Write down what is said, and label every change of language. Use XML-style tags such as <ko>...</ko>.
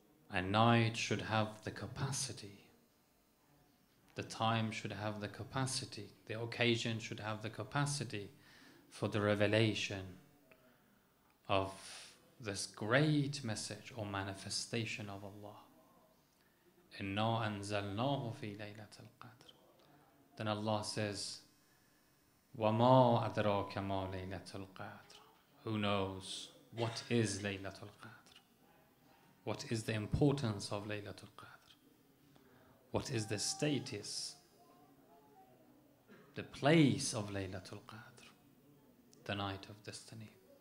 <en>A night should have the capacity, the time should have the capacity, the occasion should have the capacity for the revelation of this great message or manifestation of Allah.</en> <ar>Inna anzalnahu fi laylatil qadr.</ar> <en>Then Allah says,</en> <ar>وَمَا أَدْرَاكَ مَا لَيْلَةُ الْقَادْرِ.</ar> <en>Who knows what is لَيْلَةُ الْقَادْرِ? What is the importance of لَيْلَةُ الْقَادْرِ? What is the status, the place of لَيْلَةُ الْقَادْرِ? The night of destiny.</en>